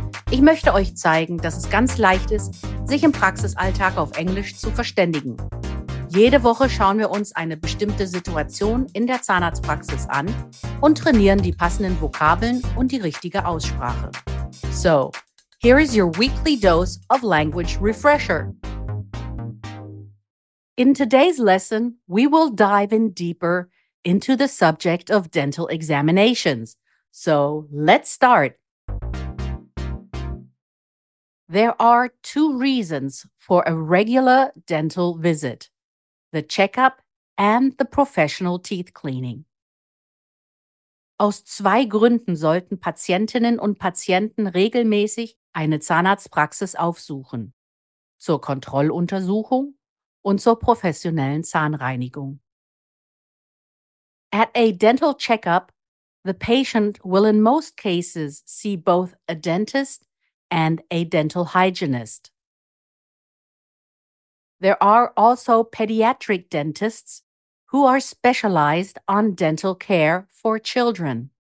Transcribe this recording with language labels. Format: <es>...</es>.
<de>Ich möchte euch zeigen, dass es ganz leicht ist, sich im Praxisalltag auf Englisch zu verständigen. Jede Woche schauen wir uns eine bestimmte Situation in der Zahnarztpraxis an und trainieren die passenden Vokabeln und die richtige Aussprache.</de> <en>So, here is your weekly dose of language refresher. In today's lesson, we will dive in deeper into the subject of dental examinations. So, let's start. There are two reasons for a regular dental visit: the checkup and the professional teeth cleaning.</en> <de>Aus zwei Gründen sollten Patientinnen und Patienten regelmäßig eine Zahnarztpraxis aufsuchen: zur Kontrolluntersuchung und zur professionellen Zahnreinigung.</de> <en>At a dental checkup, the patient will in most cases see both a dentist and a dental hygienist. There are also pediatric dentists who are specialized on dental care for children.</en>